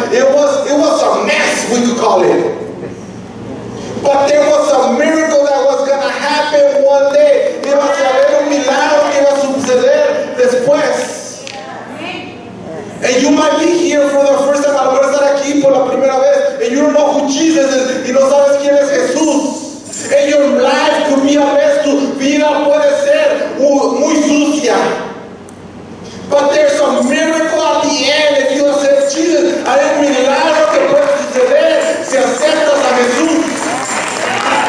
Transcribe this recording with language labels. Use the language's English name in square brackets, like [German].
[English] It was a mess, we could call it. But there was a miracle that was going to happen one day. [Spanish] Iba a haber un milagro que iba a suceder después. [English] And you might be here for the first time. [Spanish] A lo mejor estar aquí por la primera vez. [English] And you don't know who Jesus is. [Spanish] Y no sabes quién es Jesús. [English] And your life could be a mess. [Spanish] Tu vida puede ser muy sucia. [English] But there's a miracle at the end if you accept Jesus. [Spanish] Hay un milagro que puede suceder si aceptas a Jesús.